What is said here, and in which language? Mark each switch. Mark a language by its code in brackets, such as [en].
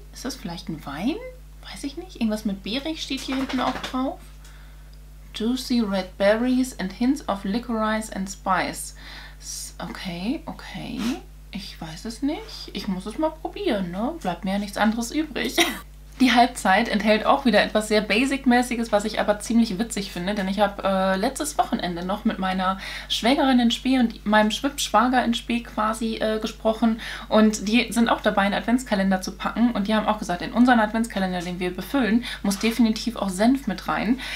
[de] Ist das vielleicht ein Wein? Weiß ich nicht. Irgendwas mit Beerig steht hier hinten auch drauf. [en] Juicy red berries and hints of licorice and spice. [de] Okay. Ich weiß es nicht. Ich muss es mal probieren, ne? Bleibt mir ja nichts anderes übrig. Die Halbzeit enthält auch wieder etwas sehr Basic-mäßiges, was ich aber ziemlich witzig finde, denn ich habe letztes Wochenende noch mit meiner Schwägerin in Spee und meinem Schwippschwager in Spee quasi gesprochen, und die sind auch dabei, einen Adventskalender zu packen, und die haben auch gesagt, in unseren Adventskalender, den wir befüllen, muss definitiv auch Senf mit rein.